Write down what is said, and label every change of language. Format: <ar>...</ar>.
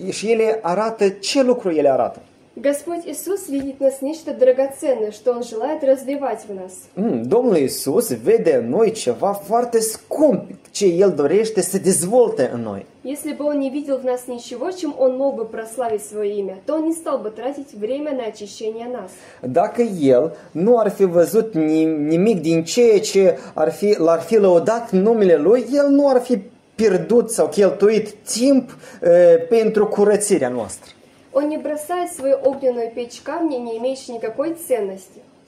<ro>Și ele arată ce lucru ele arată.</ro> <ru>Господь Иисус видит нас нечто драгоценное, что он желает развивать в нас.</ru> <ro>Domnul Iisus vede în noi ceva foarte scump, ce el dorește să dezvolte în noi.</ro> <ru>Если бы он не видел в нас ничего, чем он мог бы прославить свое имя, то он не стал бы тратить время на очищение нас.</ru> <ro>Dacă el nu ar fi văzut nimic din ceea ce l-ar fi lăudat numele lui, el nu ar fi pierdut sau cheltuit timp pentru curățirea noastră.</ro> <ru>Он не бросает свою огненную печь камни, не имеющие никакой ценности.</ru>